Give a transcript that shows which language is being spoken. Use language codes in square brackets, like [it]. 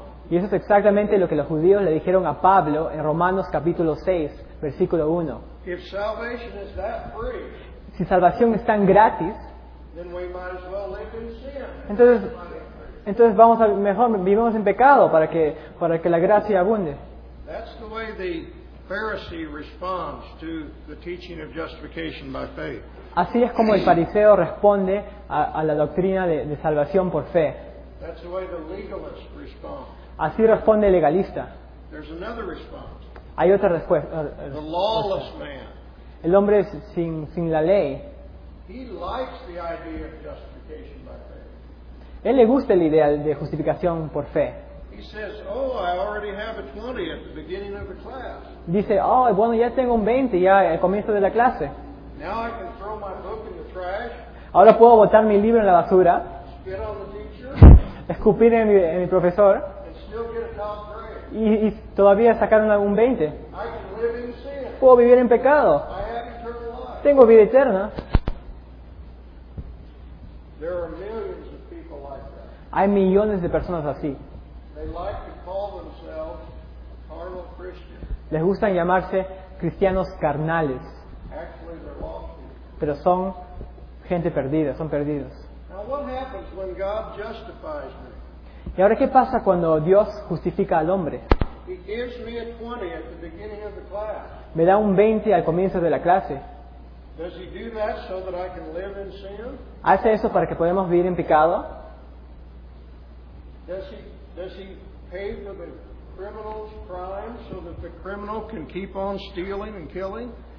[es] Y eso es exactamente lo que los judíos le dijeron a Pablo en Romanos capítulo 6, versículo 1. [en] If salvation is that free, [es] si salvación es tan gratis, [en] then we might as well live in sin. [es] Entonces vamos a mejor vivimos en pecado para que la gracia abunde. [en] That's the way the Pharisee responds to the teaching of justification by faith. [es] Así es como el fariseo responde a la doctrina de salvación por fe. [en] That's the way the legalist responds. [es] Así responde el legalista. [en] There's another response. [es] Hay otra respuesta. [en] The lawless man. [es] El hombre sin la ley. [en] He likes the idea of justification by faith. [es] Él le gusta la idea de justificación por fe. [en] He says, oh, I already have a 20 at the beginning of the class. [es] Dice, oh, bueno, ya tengo un 20 ya al comienzo de la clase. [en] Now I can throw my book in the trash. [es] Ahora puedo botar mi libro en la basura. [en] Spit on the teacher. [es] Escupir en mi profesor. [en] And still get a top grade. [es] Y todavía sacar un 20. [en] I can live in sin. [es] Puedo vivir en pecado. [en] I have eternal life. [es] Tengo vida eterna. [en] There are millions. [es] Hay millones de personas así. [en] They like to call themselves carnal [es] Christians. Les gustan llamarse cristianos carnales. [en] Actually, they're lost. [es] Pero son gente perdida, son perdidos. [en] Now, what happens when God justifies me? [es] ¿Y ahora qué pasa cuando Dios justifica al hombre? [en] He gives me a 20 at the beginning of the class. [es] Me da un 20 al comienzo de la clase. [en] Does he do that so that I can live in sin? [es] ¿Hace eso para que podamos vivir en pecado? [en] Does he pay for the criminal's crime so that the criminal can keep on stealing and killing?